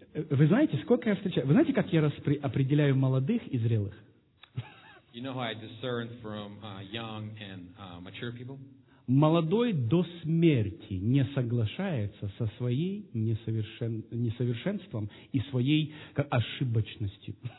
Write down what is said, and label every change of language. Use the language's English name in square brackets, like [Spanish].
[Russian] Вы знаете, сколько я встречаю? Вы знаете, как я определяю молодых и зрелых? [English] You know how I discern from young and mature people? [Russian] Молодой до смерти не соглашается со своей несовершенством и своей ошибочностью.